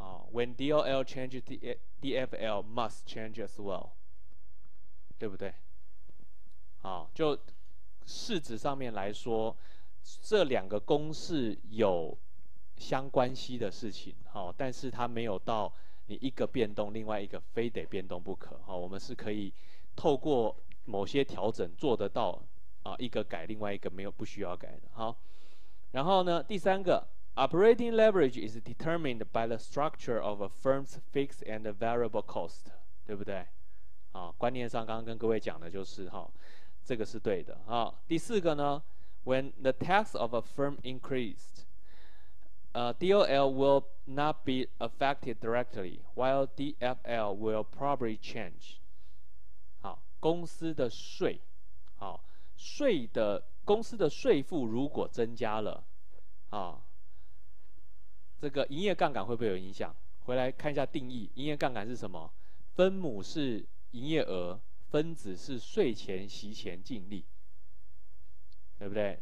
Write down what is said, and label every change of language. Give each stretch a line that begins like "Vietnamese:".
English: When DOL changes, DFL must change as well.
Chinese: 对不对？好，就市值上面来说，这两个公式有相关系的事情，但是它没有到你一个变动，另外一个非得变动不可。我们是可以透过某些调整做得到，一个改，另外一个没有不需要改的。好，然后呢，第三个
English: Operating leverage is determined by the structure of a firm's fixed and variable cost,
Chinese: 对不对？好，观念上刚刚跟各位讲的就是，好，这个是对的。好，第四个呢，
English: when the tax of a firm increased, DOL will not be affected directly, while DFL will probably change.
Chinese: 好，公司的税，好，税的公司的税负如果增加了，这个营业杠杆会不会有影响？回来看一下定义，营业杠杆是什么？分母是营业额，分子是税前息前净利，对不对？